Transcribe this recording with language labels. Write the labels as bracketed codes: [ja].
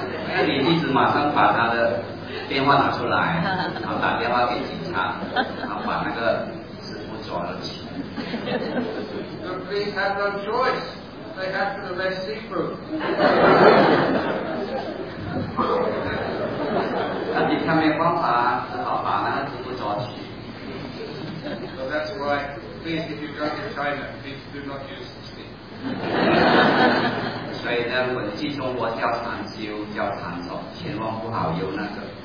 [zh] 那个弟子马上把他的电话拿出来，然后打电话给警察，然后把那个师傅抓了起来。 [en] The police had no choice. They had to arrest Sifu. [zh] 那警察没办法，只好把那个师傅抓起。 [en] So that's why, please, if you go to China, please do not use the stick. [zh] 所以呢，我去中国教禅修、教禅坐，千万不好用那个。